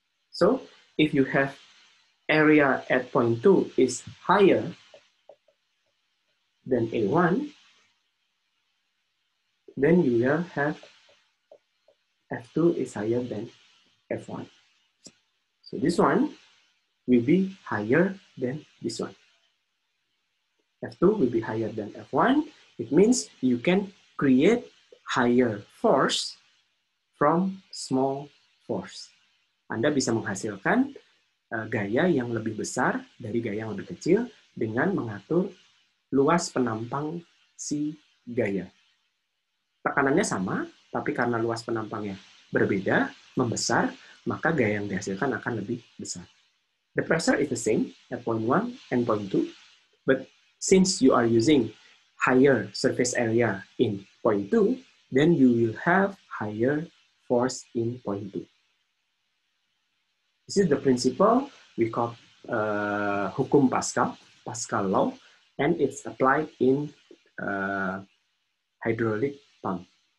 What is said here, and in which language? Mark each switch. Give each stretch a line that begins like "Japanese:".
English: So if you have area at point two is higher than A1, then you will have F2 is higher than F1. So this one will be higher than this one. F2 will be higher than F1. It means you can create higher force from small force.
Indonesian: Anda bisa menghasilkan gaya yang lebih besar dari gaya yang lebih kecil dengan mengatur luas penampang si gaya. Tekanannya sama, tapi karena luas penampangnya berbeda, membesar, maka gaya yang dihasilkan akan lebih besar.
English: The pressure is the same at point one and point two, but since you are using higher surface area in point two, then you will have higher force in point two. This is the principle we call hukum Pascal, Pascal law, and it's applied in hydraulic pump.